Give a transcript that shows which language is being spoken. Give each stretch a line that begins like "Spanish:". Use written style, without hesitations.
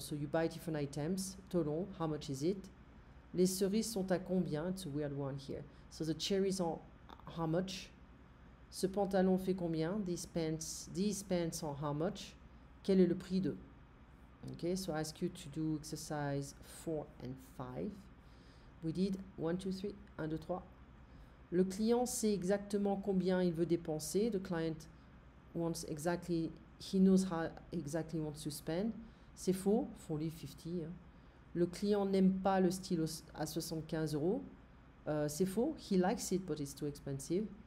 English: So you buy different items. Total. How much is it?
French: Les cerises sont à combien?
English: It's a weird one here. So the cherries are how much?
French: Ce pantalon fait combien?
English: These pants are how much?
French: Quel est le prix de?
English: Okay. So I ask you to do exercise 4 and 5. We did 1, 2, 3. 1, 2, 3.
French: Le client sait exactement combien il veut dépenser.
English: The client wants exactly. He knows how exactly he wants to spend.
French: C'est faux,
English: for 50.
French: Hein. Le client n'aime pas le stylo à 75 euros. C'est faux,
English: he likes it, but it's too expensive.